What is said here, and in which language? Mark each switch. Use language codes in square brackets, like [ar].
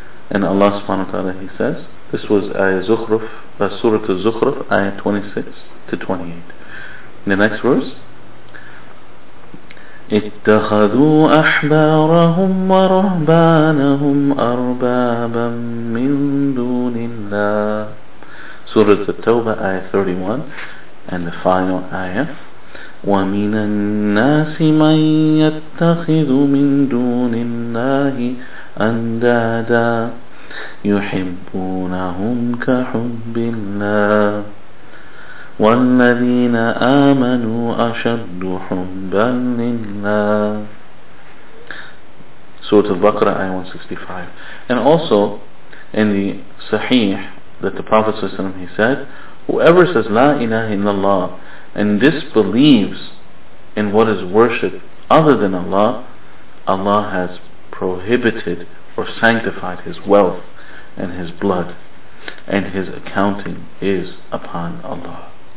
[en] And Allah subhanahu wa ta'ala, he says, this was ayah Zukhruf, Surah Al-Zukhruf, ayah 26-28. In the next verse, [ar] اتخذوا أحبارهم ورهبانهم أربابا من دون الله. سورة التوبة آية 31 [en] and the final ayah. [ar] ومن الناس من يتخذ من دون الله أندادا. يحبونهم كحب الله والذين آمنوا أشد حبا لله. [en] Surah Al-Baqarah, ayah 165. And also in the Sahih that the Prophet ﷺ, he said, whoever says La ilaha illallah and disbelieves in what is worshipped other than Allah, Allah has prohibited or sanctified his wealth and his blood, and his accounting is upon Allah.